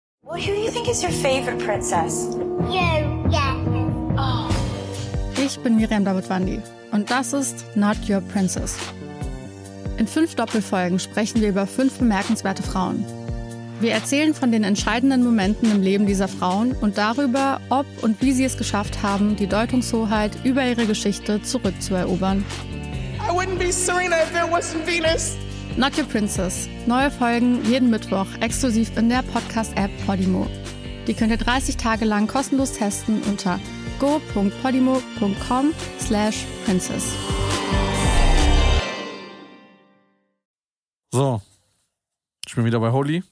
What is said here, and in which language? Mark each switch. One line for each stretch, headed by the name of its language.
English: Well, who do you think is your favorite princess? You, yeah. Oh.
German: Ich bin Miriam Dawood-Wandi und das ist Not Your Princess. In 5 Doppelfolgen sprechen wir über 5 bemerkenswerte Frauen. Wir erzählen von den entscheidenden Momenten im Leben dieser Frauen und darüber, ob und wie sie es geschafft haben, die Deutungshoheit über ihre Geschichte zurückzuerobern.
English: I wouldn't be Serena if there wasn't Venus. Not Your Princess.
German: Neue Folgen jeden Mittwoch exklusiv in der Podcast-App Podimo. Die könnt ihr 30 Tage lang kostenlos testen unter go.podimo.com/princess. So. Ich bin wieder bei Holy.